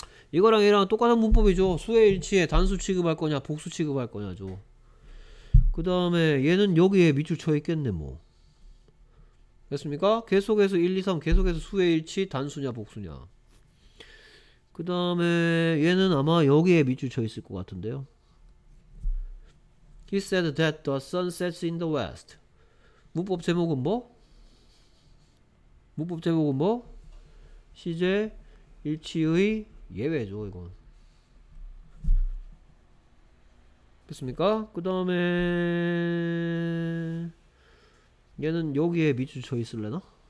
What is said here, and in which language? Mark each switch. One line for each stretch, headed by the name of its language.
Korean: 이거랑 얘랑 똑같은 문법이죠. 수의 일치에 단수 취급할 거냐, 복수 취급할 거냐죠. 그 다음에 얘는 여기에 밑줄 쳐 있겠네, 뭐. 됐습니까? 계속해서 1, 2, 3, 계속해서 수의 일치, 단수냐, 복수냐. 그 다음에 얘는 아마 여기에 밑줄 쳐 있을 것 같은데요.
English: He said that the sun sets in the west.
Korean: 문법 제목은 뭐? 문법 제목은 뭐? 시제 일치의 예외죠, 이건. 됐습니까? 그 다음에 얘는 여기에 밑줄 쳐 있을래나?